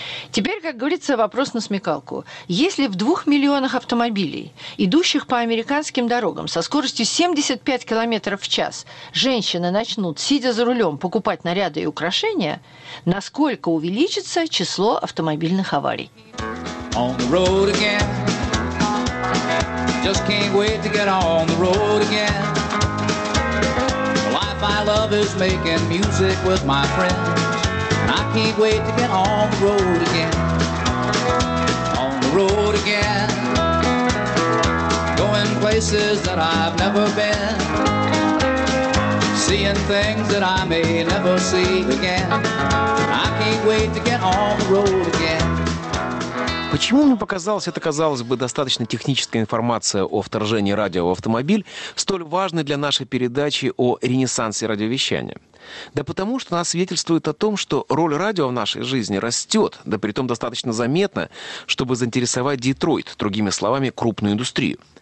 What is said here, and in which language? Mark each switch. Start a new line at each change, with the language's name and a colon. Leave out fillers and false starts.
Russian: Теперь, как говорится, вопрос на смекалку. Если в 2 миллионах автомобилей, идущих по американским дорогам со скоростью 75 км в час, женщины начнут, сидя за рулем, покупать наряды и украшения, насколько увеличится число автомобильных аварий?
English: On the road again. Just can't wait to get on the road again. The life I love is making music with my friends. I can't wait to get on the road again. On the road again. Going places that I've never been. Seeing things that I may never see again. I can't wait to get on the road again.
Russian: Почему мне показалось, это, казалось бы, достаточно техническая информация о вторжении радио в автомобиль, столь важной для нашей передачи о ренессансе радиовещания? Да потому что она свидетельствует о том, что роль радио в нашей жизни растет, да притом достаточно заметно, чтобы заинтересовать Детройт, другими словами, крупную индустрию.